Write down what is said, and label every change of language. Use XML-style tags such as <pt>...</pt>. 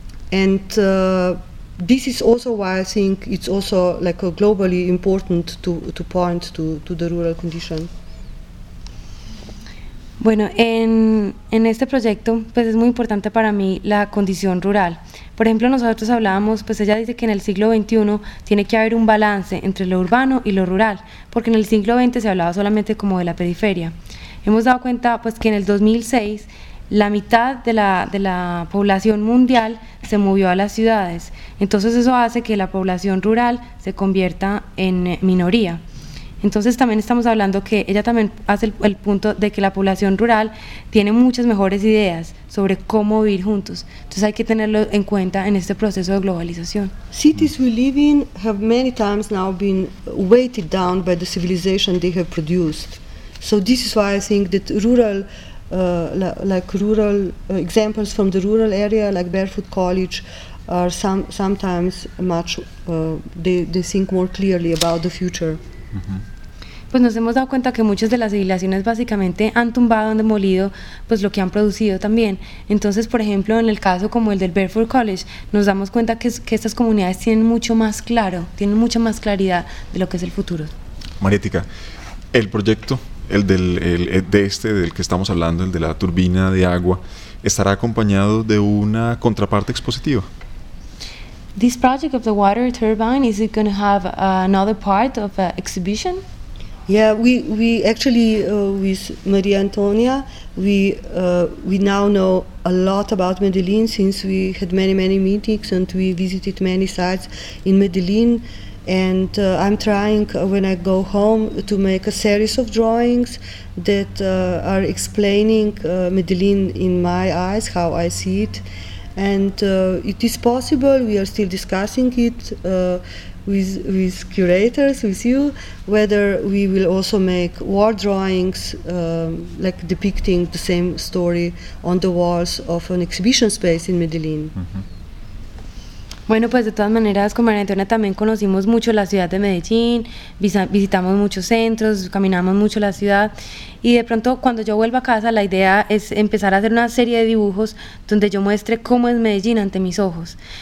<en>This is also why I think it's also like a globally important to point to the rural condition.</en> <es>Bueno, en este proyecto, pues, es muy importante para mí la condición rural. Por ejemplo, nosotros hablábamos, pues ella dice que en el siglo XXI tiene que haber un balance entre lo urbano y lo rural, porque en el siglo XX se hablaba solamente como de la periferia. Hemos dado cuenta, pues, que en el 2006 la mitad de la población mundial se movió a las ciudades. Entonces eso hace que la población rural se convierta en minoría. Entonces también estamos hablando que ella también hace el punto de que la población rural tiene muchas mejores ideas sobre cómo vivir juntos. Entonces hay que tenerlo en cuenta en este proceso de globalización.</es> <en>Cities we live in have many times now been weighted down by the civilization they have produced. So this is why I think that rural examples from the rural area like Barefoot College are sometimes much they think more clearly about the future.</en> <es>Pues nos hemos dado cuenta que muchas de las civilizaciones básicamente han tumbado, han demolido pues lo que han producido también. Entonces, por ejemplo, en el caso como el del Barefoot College, nos damos cuenta que estas comunidades tienen mucho más claro, tienen mucha más claridad de lo que es el futuro. Marietica, el proyecto, del que estamos hablando, el de la turbina de agua, estará acompañado de una contraparte expositiva.</es> <en>This project of the water turbine, is it going to have another part of an exhibition? Yeah, we actually with Maria Antonia, we now know a lot about Medellin since we had many, many meetings and we visited many sites in Medellin. And I'm trying when I go home to make a series of drawings that are explaining Medellin in my eyes, how I see it. And it is possible, we are still discussing it with curators, with you, whether we will also make wall drawings like depicting the same story on the walls of an exhibition space in Medellin. Mm-hmm.</en> <es>Bueno, pues de todas maneras, con María Antonia también conocimos mucho la ciudad de Medellín, visitamos muchos centros, caminamos mucho la ciudad. Y de pronto cuando yo vuelva a casa, la idea es empezar a hacer una serie de dibujos donde yo muestre cómo es Medellín ante mis ojos.</es>